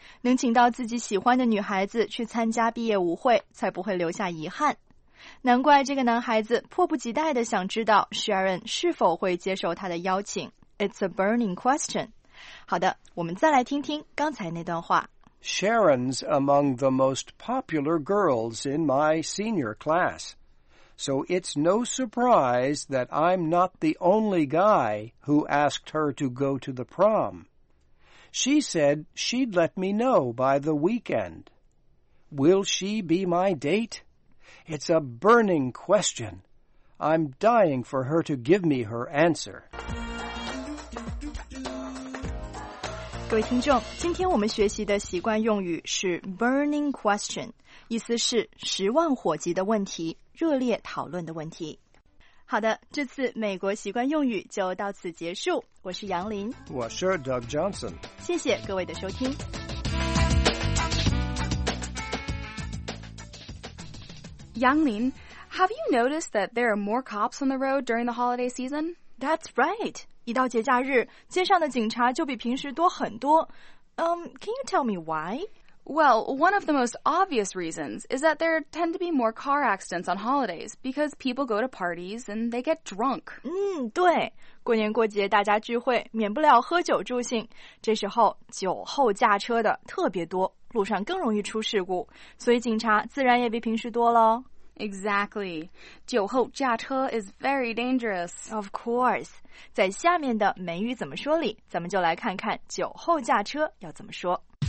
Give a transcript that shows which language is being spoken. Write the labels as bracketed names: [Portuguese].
[Chinese] 能请到自己喜欢的女孩子去参加毕业舞会，才不会留下遗憾。难怪这个男孩子迫不及待地想知道 Sharon 是否会接受他的邀请。 [English] It's a burning question. [Chinese] 好的，我们再来听听刚才那段话。 [English] Sharon's among the most popular girls in my senior class. So it's no surprise that I'm not the only guy who asked her to go to the prom. She said she'd let me know by the weekend. Will she be my date? It's a burning question. I'm dying for her to give me her answer. [Chinese] 各位听众，今天我们学习的习惯用语是 burning question， 意思是十万火急的问题，热烈讨论的问题。好的，这次美国习惯用语就到此结束。我是杨林，我是 Doug Johnson，谢谢各位的收听。 [English] 杨林， have you noticed that there are more cops on the road during the holiday season? That's right. [Chinese] 一到节假日，街上的警察就比平时多很多。 [English] Can you tell me why? Well, one of the most obvious reasons is that there tend to be more car accidents on holidays because people go to parties and they get drunk. [Chinese] 嗯，对，过年过节大家聚会，免不了喝酒助兴。这时候酒后驾车的特别多，路上更容易出事故，所以警察自然也比平时多了。 [English] Exactly. [Chinese] 酒后驾车 [English] is very dangerous. Of course. [Chinese] 在下面的美语怎么说里，咱们就来看看酒后驾车要怎么说。